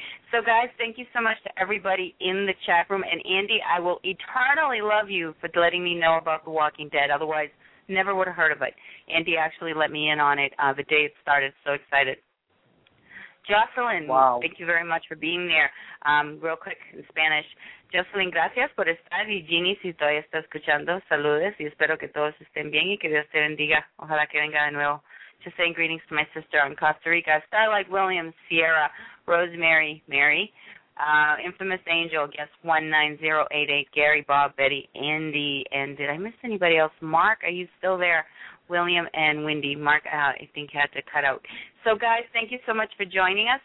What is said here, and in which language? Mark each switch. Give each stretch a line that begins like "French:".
English: So, guys, thank you so much to everybody in the chat room. And, Andy, I will eternally love you for letting me know about The Walking Dead. Otherwise, never would have heard of it. Andy actually let me in on it the day it started. So excited. Jocelyn, wow. Thank you very much for being there. Real quick in Spanish.
Spanish: Jocelyn, gracias por estar. Y Ginny, si todavía está escuchando, saludos. Y espero que todos estén bien y que Dios te bendiga. Ojalá que venga de nuevo.
English: Just saying greetings to my sister in Costa Rica. Starlight, William, Sierra, Rosemary, Mary. Infamous Angel, guest 19088, Gary, Bob, Betty, Andy. And did I miss anybody else? Mark, are you still there? William and Wendy. Mark, I think, had to cut out. So, guys, thank you so much for joining us.